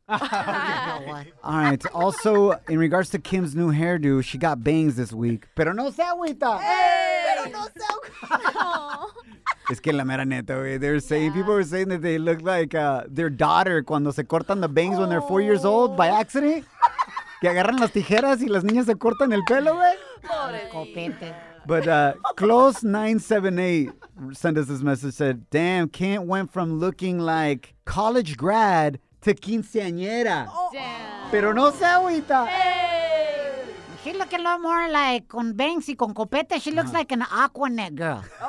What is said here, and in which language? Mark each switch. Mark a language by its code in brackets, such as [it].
[en] Okay. All right. Also, in regards to Kim's new hairdo, she got bangs this week. [es] Pero no se agüita. [en] Hey! [es] Pero no se agüita. Es que la mera neta, güey. [en] They're saying, yeah. People are saying that they look like their daughter [es] cuando se cortan [en] the bangs when they're 4 years old by accident. [es] Que agarran las tijeras y las niñas se cortan el pelo, güey. Copete. [en] But Close 978 sent us this message, said, damn, Kent went from looking like college grad to quinceañera. Oh. Damn. [es] Pero no se agüita. [en] Hey. She looks a lot more like [es] con bangs y con copete. [en] She looks like an Aquanet girl.